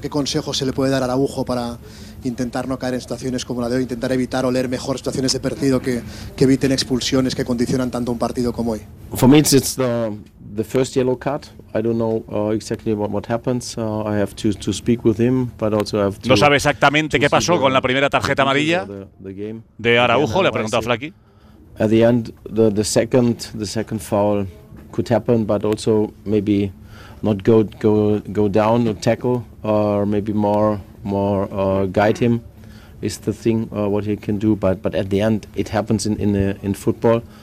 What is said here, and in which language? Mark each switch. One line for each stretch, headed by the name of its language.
Spanish: ¿Qué consejo se le puede dar a Araújo para intentar no caer en situaciones como la de hoy? Intentar evitar o leer mejor situaciones de partido que eviten expulsiones que condicionan tanto un partido como hoy.
English: For me it's the first yellow card. I don't know exactly what happens. I have to speak with him, but also I have to.
Spanish: No sabe exactamente qué pasó con la primera tarjeta amarilla de Araújo, le ha preguntado Flaky.
English: At the end, the second foul could happen, but also maybe not go down or tackle, or maybe more guide him is the thing what he can do. But at the end, it happens in football.